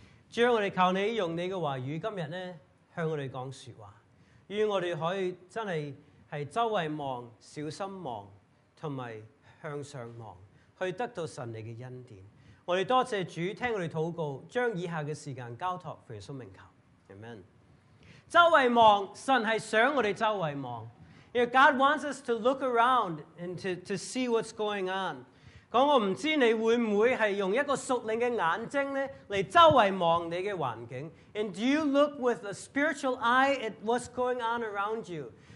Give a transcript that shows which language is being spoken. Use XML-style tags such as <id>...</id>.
<zh>主要我们求你用你的话语, 今天呢, 向我们说话, 愿我们可以真的是周围望,小心望,和向上望,去得到神你的恩典。我们多谢主,听我们祷告,将以下的时间交托,奉耶稣名求。Amen. 周围望,神是想我们周围望。</zh> <en>You know, God wants us to look around and to see what's going on.</en> <zh>我不知道你会不会是用一个属灵的眼睛来周围望你的环境。</zh> <en>And do you look with a spiritual eye at what's going on around you?</en>